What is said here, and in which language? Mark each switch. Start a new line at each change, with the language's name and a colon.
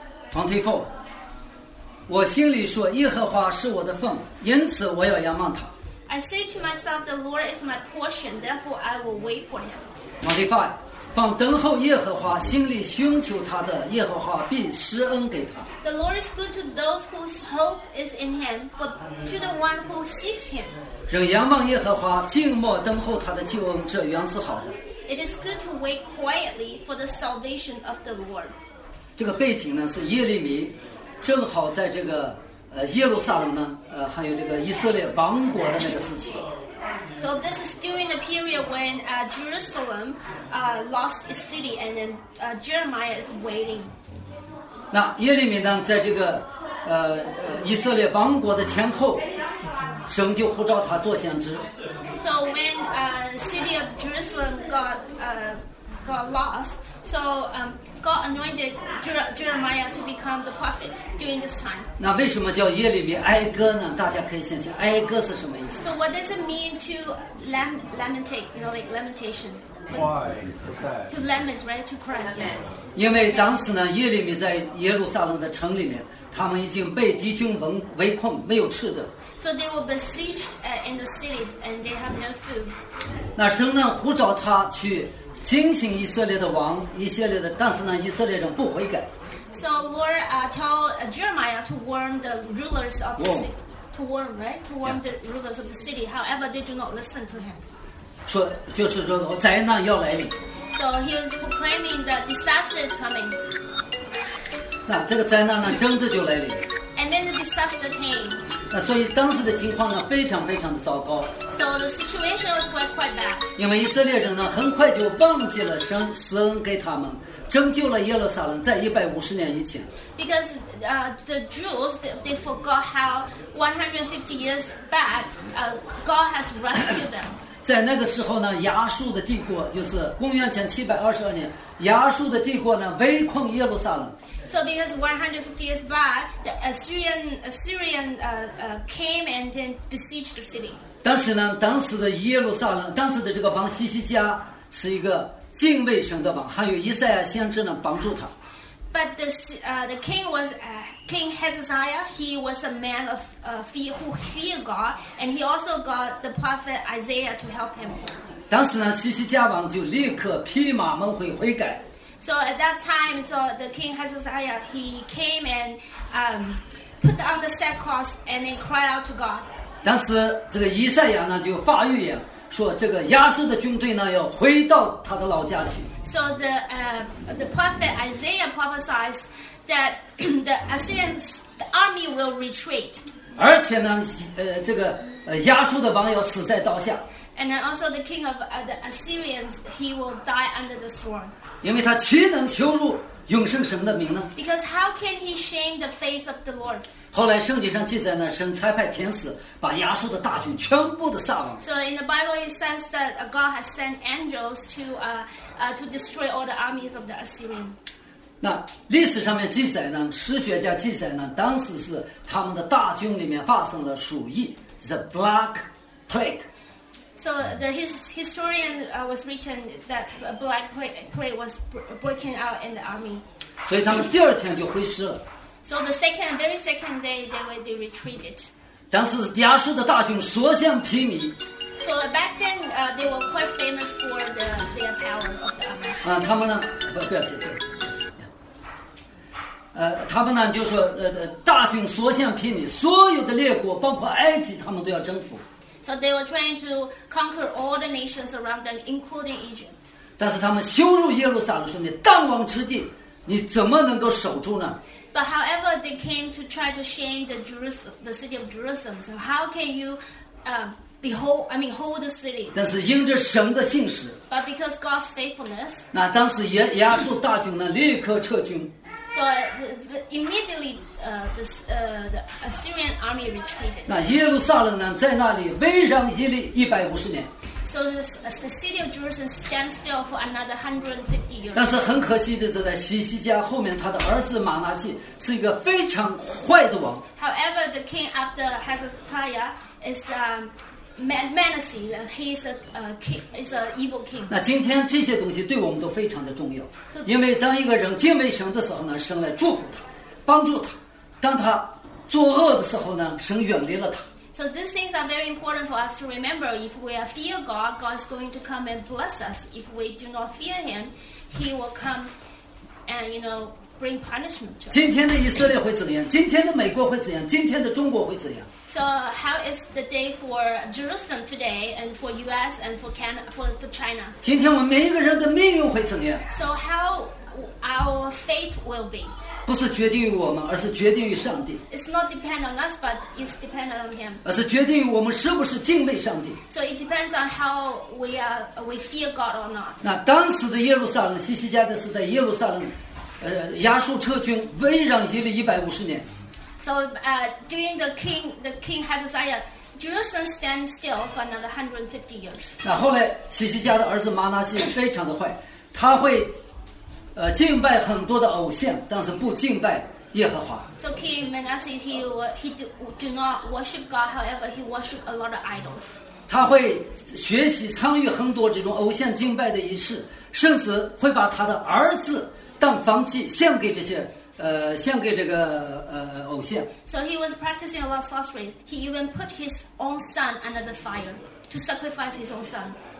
Chinese: 24. 我心里说耶和华是我的份，因此我要仰望他。
English: I say to myself, the Lord is my portion, therefore I will wait for him. 25.
Chinese: 凡等候耶和华心里寻求他的，耶和华必施恩给他。
English: The Lord is good to those whose hope is in him, for to the one who seeks him.
Chinese: 仍仰望耶和华，静默等候他的救恩，这原是好的。
English: It is good to wait quietly for the salvation of the Lord.
Chinese: 这个背景呢，是耶利米正好在这个耶路撒冷呢，还有这个以色列亡国的那个时期。
English: So this is during the period when Jerusalem lost its city, and then Jeremiah is waiting.
Chinese: 那耶利米呢，在这个以色列亡国的前后，神就呼召他做先知。
English: So when city of Jerusalem got lost, so God anointed Jeremiah to become the prophet during this time.
Chinese: 那为什么叫耶利米哀歌呢？大家可以想想，哀歌是什么意思
English: ？So what does it mean to lamentate? You know, like lamentation. Why? To lament, right? To cry. Yeah.
Chinese: 因为当时呢，耶利米在耶路撒冷的城里面。他们已经被敌军围困，没有吃的。
English: So they were besieged in the city, and they have no food.
Chinese: 那神呢呼召他去警醒以色列的王，以色列的，但是呢，以色列人不悔改。
English: So Lord told Jeremiah to warn the rulers of the city, the rulers of the city. However, they do not listen to him.
Chinese: 说就是说灾难要来临。
English: So he was proclaiming that disaster is coming.
Chinese: 那这个灾难呢，真的就来临。
English: And then the disaster came.
Chinese: 那所以当时的情况呢，非常非常的糟糕。
English: So the situation was quite bad.
Chinese: 因为以色列人呢，很快就忘记了神施恩给他们，拯救了耶路撒冷，在150年以前。
English: Because the Jews they forgot how 150 years back God has rescued them.
Chinese: 在那个时候呢，亚述的帝国就是公元前722年，亚述的帝国呢围困耶路撒冷。
English: So because 150 years back, the Assyrian came and then besieged the city.
Chinese: 当时呢，当时的耶路撒冷，当时的这个王西西家是一个敬畏神的王，还有以赛亚先知呢帮助他。
English: But the king was King Hezekiah. He was a man of fear who feared God, and he also got the prophet Isaiah to help him.
Chinese: 当时呢，西西家王就立刻披麻蒙灰悔改。
English: So at that time, so the king Hezekiah he came and put on the sackcloth and then cried out to God.
Chinese: 当时这个以赛亚呢就发预言说这个亚述的军队呢要回到他的老家去。
English: So the prophet Isaiah prophesied that the Assyrians the army will retreat.
Chinese: 而且呢，这个亚述的王要死在刀下。
English: And then also the king of the Assyrians he will die under the sword.
Chinese: 因为他岂能羞辱永生神的名呢
English: ？Because how can he shame the face of the Lord？
Chinese: 后来圣经上记载呢，神差派天使把亚述的大军全部的杀亡。
English: So in the Bible it says that God has sent angels to destroy all the armies of the Assyrian.
Chinese: 那历史上面记载呢，史学家记载呢，当时是他们的大军里面发生了鼠疫 ，
English: the Black Plague。 So the historian was written that a black plague was breaking out in the army.
Chinese: 所以他们第二天就回师了。
English: So the very second day they retreated.
Chinese: 当时亚述的大军所向披靡。
English: So back then they were quite famous for their power of the army.
Chinese: 他们呢不要紧。他们呢就说大军所向披靡，所有的列国包括埃及，他们都要征服。
English: So they were trying to conquer all the nations around them, including Egypt.
Chinese: 但是他们羞辱耶路撒冷，说你弹王之地，你怎么能够守住呢
English: ？But however, they came to try to shame the city of Jerusalem. So how can you hold the city?
Chinese: 但是因着神的信实
English: ，But because God's faithfulness.
Chinese: 那当时亚述大军呢，立刻撤军。
English: So immediately, the Assyrian army retreated.
Chinese: 那耶路撒冷呢，在那里围上150年。
English: So the city of Jerusalem stands still for another 150 years.
Chinese: 但是很可惜的，在西西家后面，他的儿子马拿西是一个非常坏的王。
English: However, the king after Hezekiah is Manasseh, and he is is an evil king.
Chinese: 那今天这些东西对我们都非常的重要，因为当一个人敬畏神的时候呢，神来祝福他，帮助他；当他作恶的时候呢，神远离了他。
English: So these things are very important for us to remember. If we fear God, God is going to come and bless us. If we do not fear Him, He will come and bring punishment.
Chinese: 今天的以色列会怎样？今天的美国会怎样？今天的中国会怎样？
English: So how is the day for Jerusalem today, and for U.S. and for Canada, for China?
Chinese: 今天我们每一个人的命运会怎样
English: ？So how our fate will be?
Chinese: 不是决定于我们，而是决定于上帝。
English: It's not depend on us, but it's depend on Him.
Chinese: 而是决定于我们是不是敬畏上帝。
English: So it depends on how we fear God or not.
Chinese: 那当时的耶路撒冷，西西家的是在耶路撒冷，亚述撤军围上耶利150年。
English: So during the king Hezekiah, Jerusalem stand still for another 150 years.
Chinese: 那后来，西西家的儿子玛拿西非常的坏，他会，敬拜很多的偶像，但是不敬拜耶和华。
English: So King Manasseh he do not worship God. However, he worship a lot of idols.
Chinese: 他会学习参与很多这种偶像敬拜的仪式，甚至会把他的儿子当房契献给这些。献给这个偶像。
English: So he was practicing a lot of sorcery. He even put his own son under the fire to sacrifice his own son.